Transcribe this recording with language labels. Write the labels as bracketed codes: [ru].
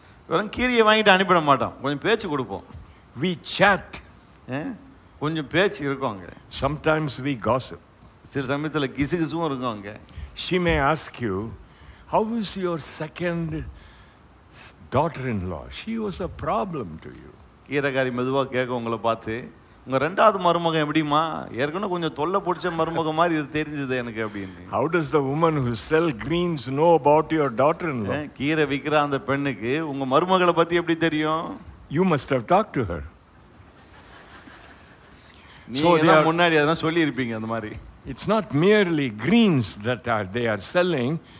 [ta] வெறும் கீரையை வாங்கிட்டு அனுப்பிட மாட்டோம், கொஞ்சம் பேச்சு கொடுப்போம். [en] We chat. [ta] கொஞ்சம் பேச்சு இருக்கும் அங்க. [en] Sometimes we gossip. [ta] சில சமயத்தில் கிசுகிசும் இருக்கும் அங்க. [en] She may ask you, how is your second daughter-in-law? She was a problem to you. [ta] கீரைக்காரி மெதுவாக கேட்க உங்களை பார்த்து, உங்கள் ரெண்டாவது மருமகன் எப்படிமா, ஏற்கனவே கொஞ்சம் தொல்லை பிடிச்ச மருமகம் மாதிரி இது தெரிஞ்சுது எனக்கு அப்படின்னு. [en] How does the woman who sell greens know about your daughter-in-law? [ta] கீரை விற்கிற அந்த பெண்ணுக்கு உங்கள் மருமகளை பற்றி எப்படி தெரியும்? [en] You must have talked to her. It's not merely greens that they are selling.